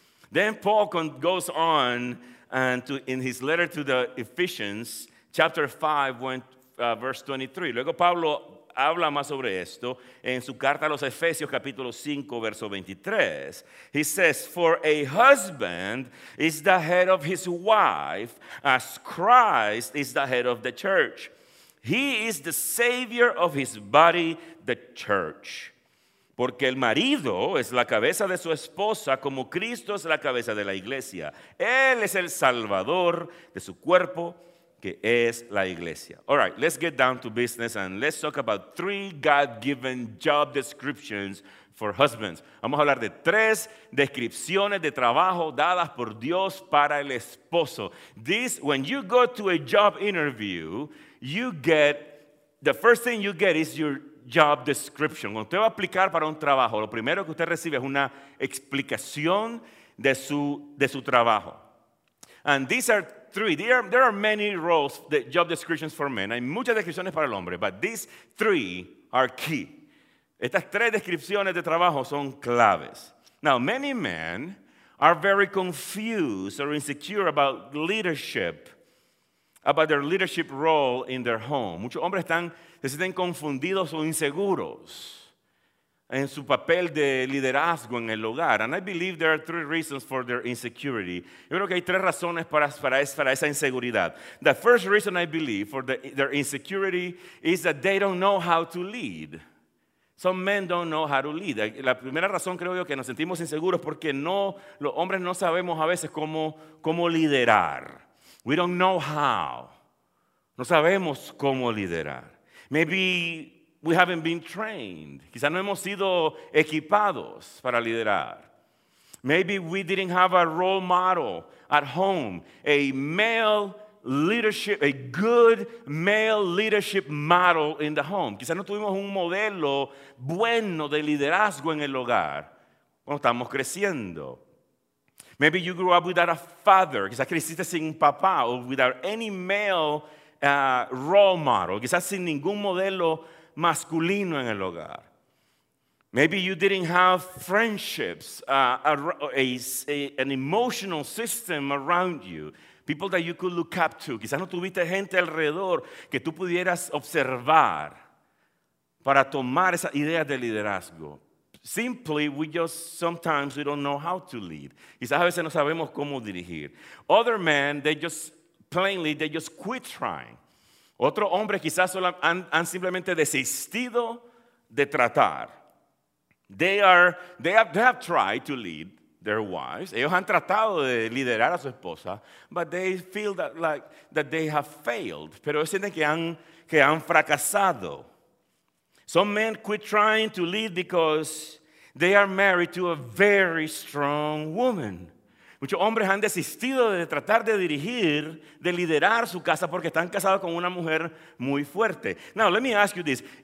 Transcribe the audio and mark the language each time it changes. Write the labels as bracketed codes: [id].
[en] Then Paul goes on and to in his letter to the Ephesians, chapter 5, verse 23. [es] Luego Pablo habla más sobre esto en su carta a los Efesios, capítulo 5, verso 23. [en] He says, for a husband is the head of his wife, as Christ is the head of the church. He is the savior of his body, the church. [es] Porque el marido es la cabeza de su esposa, como Cristo es la cabeza de la iglesia. Él es el salvador de su cuerpo, que es la iglesia. [en] All right, let's get down to business and let's talk about three God-given job descriptions for husbands. [es] Vamos a hablar de tres descripciones de trabajo dadas por Dios para el esposo. [en] This, when you go to a job interview, you get, the first thing you get is your job description. [es] Cuando usted va a aplicar para un trabajo, lo primero que usted recibe es una explicación de su trabajo. [en] And these are three. There are many roles, the job descriptions for men. [es] Hay muchas descripciones para el hombre, [en] but these three are key. [es] Estas tres descripciones de trabajo son claves. [en] Now, many men are very confused or insecure about leadership, about their leadership role in their home. [es] Muchos hombres se sienten confundidos o inseguros en su papel de liderazgo en el hogar. [en] And I believe there are three reasons for their insecurity. [es] Yo creo que hay tres razones para esa inseguridad. [en] The first reason I believe for their insecurity is that they don't know how to lead. Some men don't know how to lead. [es] La primera razón creo yo que nos sentimos inseguros porque los hombres no sabemos a veces cómo liderar. [en] We don't know how. [es] No sabemos cómo liderar. [en] Maybe we haven't been trained. [es] Quizás no hemos sido equipados para liderar. [en] Maybe we didn't have a role model at home. A male leadership, a good male leadership model in the home. [es] Quizás no tuvimos un modelo bueno de liderazgo en el hogar cuando estamos creciendo. [en] Maybe you grew up without a father. [es] Quizás creciste sin papá o [en] without any male role model. [es] Quizás sin ningún modelo masculino en el hogar. [en] Maybe you didn't have friendships, an emotional system around you. People that you could look up to. [es] Quizás no tuviste gente alrededor que tú pudieras observar para tomar esa idea de liderazgo. [en] Simply, sometimes we don't know how to lead. [es] Quizás a veces no sabemos cómo dirigir. [en] Other men, they just quit trying. [es] Otros hombres quizás solo han simplemente desistido de tratar. [en] They have tried to lead their wives. [es] Ellos han tratado de liderar a su esposa, [en] but they feel that they have failed. [es] Pero sienten que han fracasado. [en] Some men quit trying to lead because they are married to a very strong woman. [es] Muchos hombres han desistido de tratar de dirigir, de liderar su casa porque están casados con una mujer muy fuerte. [en] Now, let me ask you this.